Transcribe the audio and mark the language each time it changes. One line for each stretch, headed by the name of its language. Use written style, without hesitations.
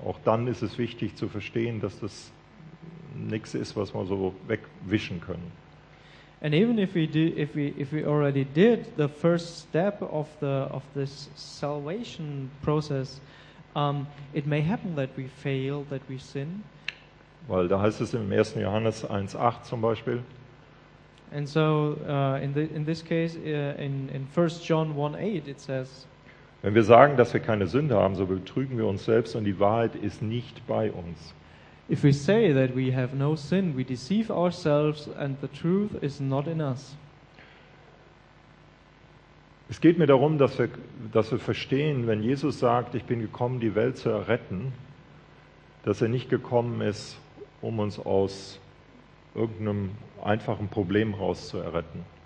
German: Auch dann ist es wichtig zu verstehen, dass das nichts ist, was wir so wegwischen können.
English: And even if we already did the first step of this salvation process, it may happen that we fail, that we sin.
German: Weil da heißt es im 1. Johannes 1,8 zum Beispiel.
English: And so in this case, in 1. John 1,8 it says,
German: wenn wir sagen, dass wir keine Sünde haben, so betrügen wir uns selbst und die Wahrheit ist nicht bei uns.
English: If we say that we have no sin, we deceive ourselves and the truth is not in us.
German: Es geht mir darum, dass wir verstehen, wenn Jesus sagt, ich bin gekommen, die Welt zu erretten, dass er nicht gekommen ist, um uns aus irgendeinem einfachen Problem raus zu erretten.